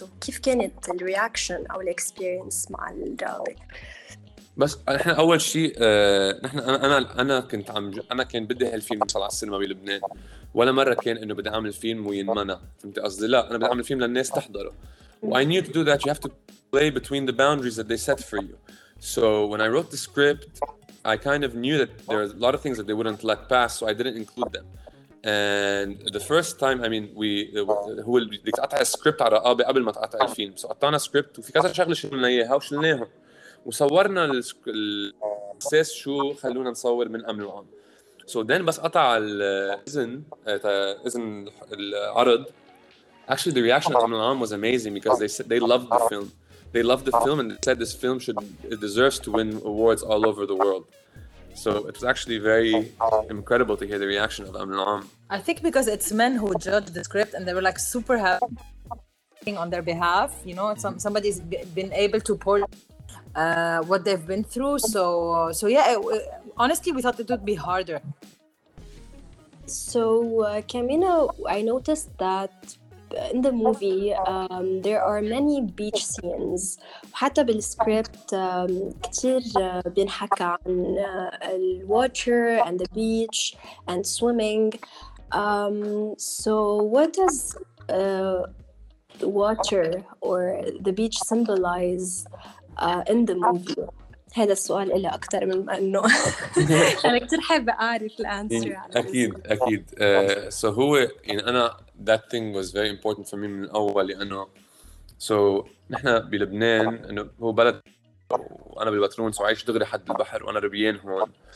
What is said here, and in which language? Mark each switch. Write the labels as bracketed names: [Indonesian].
[English] So [Arabic] كيف كانت [English] the reaction [Arabic] أو [English] the experience [Arabic] مع الرقابة؟ بس احنا اول شيء نحن انا كان بدي هالفيلم يطلع على السينما بلبنان. ولا مره كان انه بدي اعمل فيلم وينمنع, فهمت قصدي؟ لا, انا بدي اعمل فيلم للناس تحضره. [English] I knew to do that you have to play between the boundaries that they set for you. So when I wrote the script, I kind of knew that there are a lot of things that they wouldn't let pass, so I didn't include them. And the first time, I mean, [Arabic] هو اللي قطع السكريبت على رقابي قبل ما تقطع الفيلم. [English] So [Arabic] قطعنا سكريبت وفي كذا شغله شلنا اياها وشلناهم وصورنا الأساس شو خلونا نصور من أمن العام. [English] So then [Arabic] بس قطع الإذن العرض. [English] Actually, the reaction of أمن العام was amazing, because they loved the film. They loved the film and they said this film deserves to win awards all over the world. So it was actually very incredible to hear the reaction of أمن العام. I think because it's men who judged the script and they were like super happy on their behalf. You know, somebody's been able to pull what they've been through, so yeah, honestly, we thought it would be harder. So, Camino, I noticed that in the movie, there are many beach scenes. [Arabic] حتى بالسكريبت كتير بينحكى عن [English] water and the beach and swimming. So, what does water or the beach symbolize in the movie? [Arabic] هذا السؤال إلي أكثر من أنه أنا كتير حابة أعرف الأنسر. أكيد أكيد. [English] So [Arabic] هو يعني أنا [English] that thing was very important for me [Arabic] من الأول لأنه [English] so [Arabic] نحن بلبنان إنه هو بلد وأنا بالبترون سو عايش دغري حد البحر وأنا ربيان هون.